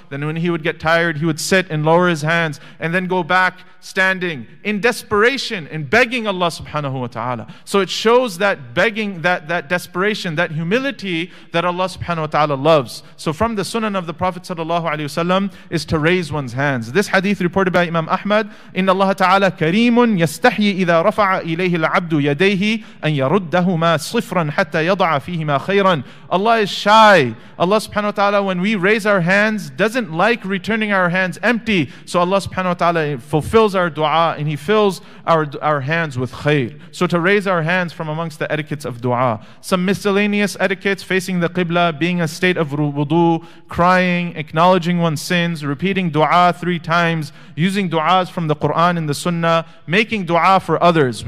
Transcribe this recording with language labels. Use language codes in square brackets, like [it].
[en] Then when he would get tired, he would sit and lower his hands and then go back standing in desperation and begging Allah subhanahu wa ta'ala. So it shows that begging, that desperation, that humility that Allah subhanahu wa ta'ala loves. So from the sunnah of the Prophet sallallahu alayhi wasallam is to raise one's hands. This hadith reported by Imam Ahmad, [ar] إِنَّ اللَّهَ تَعَالَى كَرِيمٌ يَسْتَحْيِ إِذَا رَفَعَ إِلَيْهِ الْعَبْدُ يَدَيْهِ أَنْ يَرُدَّهُمَا صِفْرًا حَتَّى يَضَعَ فِيهِمَا خَيْرًا. [en] Allah is shy. Allah subhanahu wa ta'ala, when we raise our hands, doesn't like returning our hands empty. So Allah subhanahu wa ta'ala fulfills our dua and he fills our hands with khair. So to raise our hands from amongst the etiquettes of dua. Some miscellaneous etiquettes: facing the qibla, being a state of wudu, crying, acknowledging one's sins, repeating dua 3 times, using duas from the Quran and the sunnah, making dua for others.